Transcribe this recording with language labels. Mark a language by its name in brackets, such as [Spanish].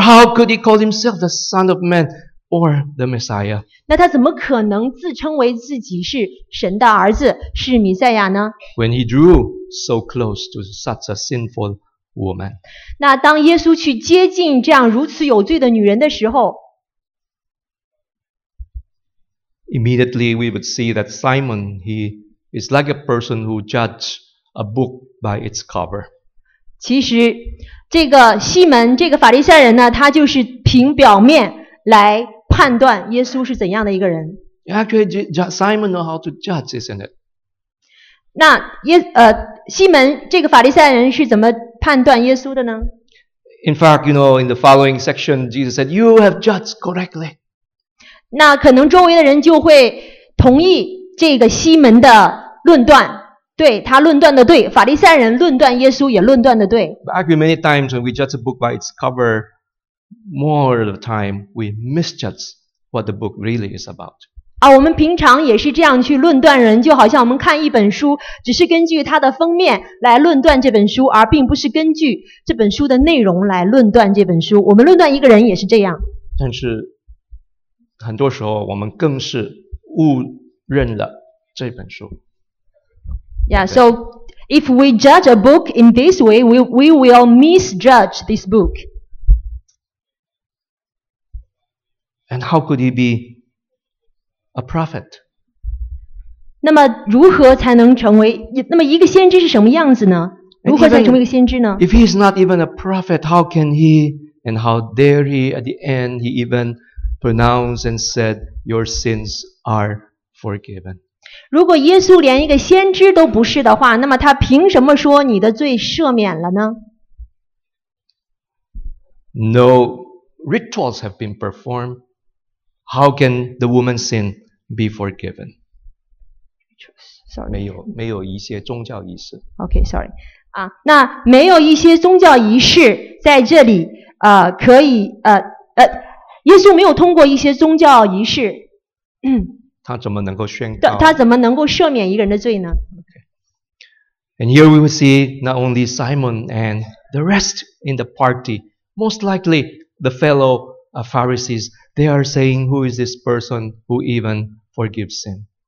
[English] How could he call himself the Son of Man or the Messiah? [Chinese] 那他怎么可能自称为自己是神的儿子，是弥赛亚呢？ [English] When he drew so close to such a sinful woman. [Chinese] 那当耶稣去接近这样如此有罪的女人的时候， [English] Immediately we would see that Simon, he is like a person who judges a book by its cover. [Chinese] 其实这个西门这个法利赛人呢，他就是凭表面来判断耶稣是怎样的一个人。 [English] Actually, Simon knows how to judge, isn't it? [Chinese] 那西门这个法利赛人是怎么判断耶稣的呢？ [English] In fact, you know, in the following section, Jesus said, "You have judged correctly." [Chinese] 那可能周围的人就会同意这个西门的论断。对，他论断的对，法利赛人论断耶稣也论断的对。 [English] Actually, many times when we judge a book by its cover, more of the time we misjudge what the book really is about. [Chinese] 啊，我们平常也是这样去论断人，就好像我们看一本书，只是根据它的封面来论断这本书，而并不是根据这本书的内容来论断这本书。我们论断一个人也是这样。但是，很多时候我们更是误认了这本书。 [English] Yeah, so if we judge a book in this way, we will misjudge this book. And how could he be a prophet? [Chinese] 那么如何才能成为？那么一个先知是什么样子呢？如何才成为一个先知呢？ [English] If he is not even a prophet, how can he and how dare he at the end he even pronounce and said, "Your sins are forgiven"? [Chinese] 如果耶稣连一个先知都不是的话，那么他凭什么说你的罪赦免了呢？ [English] No rituals have been performed. How can the woman's sin be forgiven? Sorry. [Chinese] 没有一些宗教仪式。 [English] Okay, sorry. [Chinese] 啊，那没有一些宗教仪式在这里，可以，耶稣没有通过一些宗教仪式。他怎么能够宣告？他怎么能够赦免一个人的罪呢？ [English] Okay. And here we will see not only Simon and the rest in the party, most likely the fellow Pharisees, they are saying, "Who is this person who even forgives sin?"